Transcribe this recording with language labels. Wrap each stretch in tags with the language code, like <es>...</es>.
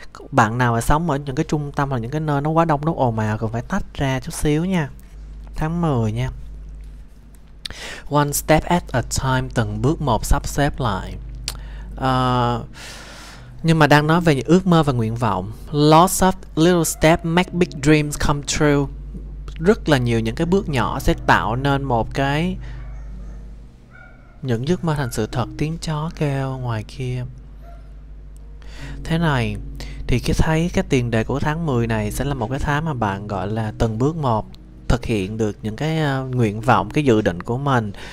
<vi>Bạn nào mà sống ở những cái trung tâm hoặc những cái nơi nó quá đông, nó ồn ào, cần phải tách ra chút xíu nha. Tháng 10 nha.</vi> <en>One step at a time,</en> <vi>từng bước một sắp xếp lại. Nhưng mà đang nói về những ước mơ và nguyện vọng.</vi> <en>Lots of little steps make big dreams come true.</en> <vi>Rất là nhiều những cái bước nhỏ sẽ tạo nên một cái những ước mơ thành sự thật. Tiếng chó kêu ngoài kia. Thế này thì cái thấy cái tiền đề của tháng 10 này sẽ là một cái tháng mà bạn gọi là từng bước một thực hiện được những cái nguyện vọng, cái dự định của mình.</vi>